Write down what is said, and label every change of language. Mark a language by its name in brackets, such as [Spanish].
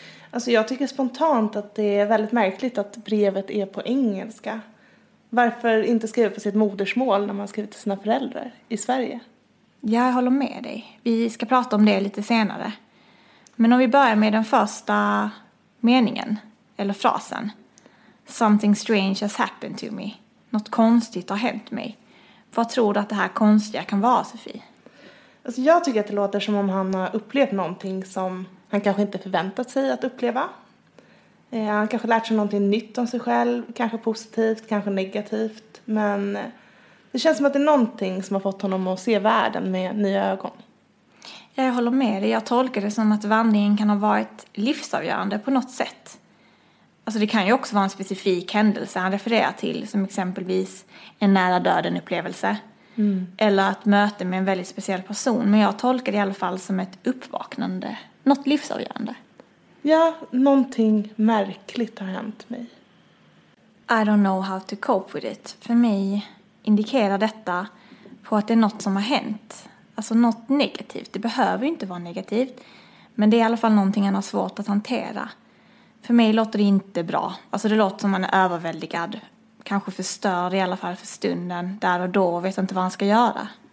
[Swedish] Alltså jag tycker spontant att det är väldigt märkligt att brevet är på engelska. Varför inte skriva på sitt modersmål när man skriver till sina föräldrar i Sverige? Jag håller med dig. Vi ska prata om det lite senare. Men om vi börjar med den första meningen, eller frasen. [English] Something strange has happened to me. [Swedish] Något konstigt har hänt mig. Vad tror du att det här konstiga kan vara, Sofie? Alltså jag tycker att det låter som om han har upplevt någonting som han kanske inte förväntat sig att uppleva. Han kanske lärt sig någonting nytt om sig själv. Kanske positivt, kanske negativt. Men det känns som att det är någonting som har fått honom att se världen med nya ögon. Jag håller med dig. Jag tolkar det som att vandringen kan ha varit livsavgörande på något sätt. Alltså det kan ju också vara en specifik händelse han refererar till. Som exempelvis en nära döden upplevelse. Mm. Eller ett möte med en väldigt speciell person. Men jag tolkar det i alla fall som ett uppvaknande. Något livsavgörande. Ja, någonting märkligt har hänt mig. [English] I don't know how to cope with it. [Swedish] För mig indikerar detta på att det är något som har hänt. Alltså något negativt. Det behöver ju inte vara negativt. Men det är i alla fall någonting han har svårt att hantera. För mig låter det inte bra. Alltså det låter som man är överväldigad. Kanske förstörd i alla fall för stunden. Där och då vet inte vad han ska göra.